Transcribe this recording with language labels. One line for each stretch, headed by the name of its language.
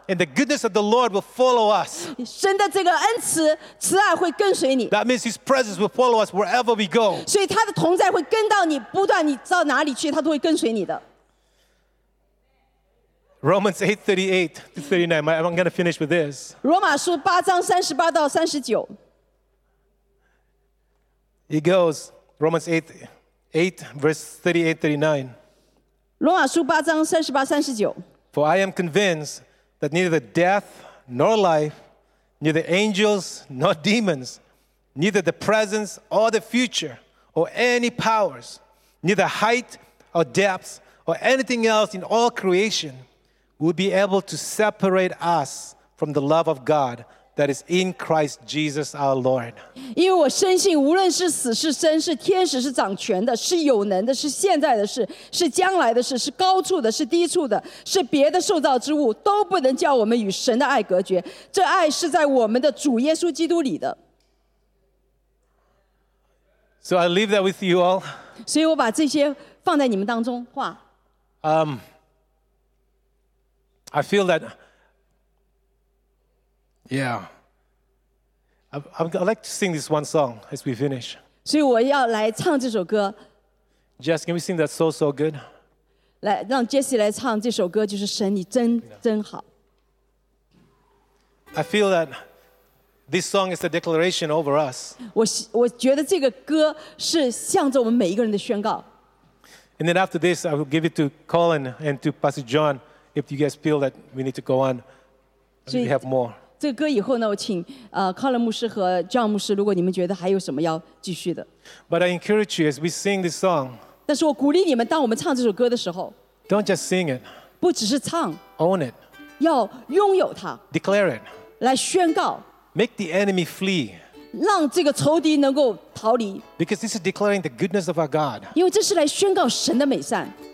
English: And the goodness of the Lord will follow us.
Chinese: 神的这个恩慈慈爱会跟随你。
English: That means His presence will follow us wherever we go.
Chinese: 所以他的同在会跟到你，不断你到哪里去，他都会跟随你的。
English: Romans 8:38-39. I'm going to finish with this.
Chinese: 罗马书八章三十八到三十九。
English: It goes Romans 8:38-39.
Chinese: 罗马书八章三十八三十九。
English: For I am convinced that neither the death nor life, neither angels nor demons, neither the present or the future, or any powers, neither height or depth or anything else in all creation. Would be able to separate us from the love of God that is in Christ Jesus our Lord.
Chinese: 因为我深信，无论是死是生，是天使是掌权的，是有能的，是现在的事，是将来的事，是高处的，是低处的，是别的受造之物，都不能叫我们与神的爱隔绝。这爱是在我们的主耶稣基督里的。
English: So I leave that with you all.
Chinese: 所以我把这些放在你们当中话。
English: I feel that, yeah. I'd like to sing this one song as we finish.
Chinese: 所以我要来唱这首歌。
English: Jess, can we sing that so, so good?
Chinese: 来，让 Jessie 来唱这首歌，就是神，你真真好。
English: I feel that this song is a declaration over us.
Chinese: 我觉得这个歌是向着我们每一个人的宣告。
English: And then after this, I will give it to Colin and to Pastor John. If you guys feel that we need to go on, we have more.
Chinese: 这个歌以后呢，我请Colin 牧师和 John 牧师，如果你们觉得还有什么要继续的。
English: But I encourage you as we sing this song.
Chinese: 但是我鼓励你们，当我们唱这首歌的时候
English: ，Don't just sing it.
Chinese: 不只是唱
English: ，Own it.
Chinese: 要拥有它
English: ，Declare it.
Chinese: 来宣告
English: ，Make the enemy flee.
Chinese: 让这个仇敌能够逃离
English: ，Because this is declaring the goodness of our God.
Chinese: 因为这是来宣告神的美善。